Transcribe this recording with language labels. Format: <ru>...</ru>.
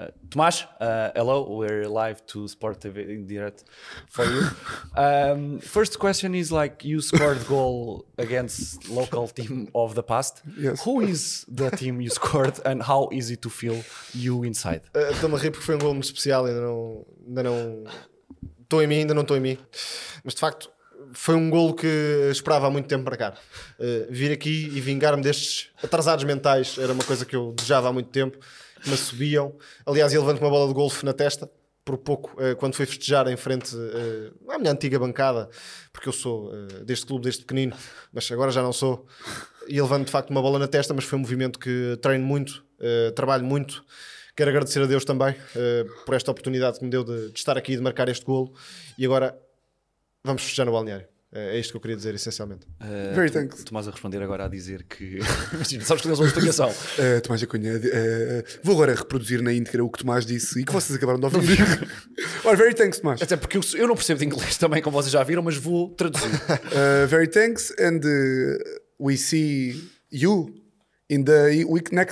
<en>Tomás, hello, we're live to Sport TV in direct for you. First question is like, you scored goal against local team of the past. Yes. Who is the team you scored and how is it to feel you inside?</en> <pt>Estou-me a rir porque foi um gol muito especial, ainda não estou em mim. Mas de facto... Foi um golo que esperava há muito tempo para cá. Vir aqui e vingar-me destes atrasados mentais era uma coisa que eu desejava há muito tempo. Me subiam. Aliás, eu levanto uma bola de golfe na testa, por pouco, quando fui festejar em frente à minha antiga bancada, porque eu sou deste clube, deste pequenino, mas agora já não sou. E levanto, de facto, uma bola na testa, mas foi um movimento que treino muito, trabalho muito. Quero agradecer a Deus também por esta oportunidade que me deu de estar aqui e de marcar este golo. E agora... Vamos fechar no balneário. É isto que eu queria dizer, essencialmente.</pt> <en>Very thanks.</en> <pt>Tomás a responder agora a dizer que... sabes que eles vão explicação. Tomás da Cunha, vou agora reproduzir na íntegra o que Tomás disse e que vocês acabaram de ouvir.</pt> <en>Ora, very thanks, Tomás.</en> <pt>Até porque eu não percebo de inglês também, como vocês já viram, mas vou traduzir.</pt> <en>Very thanks and we see you in the week next.</en>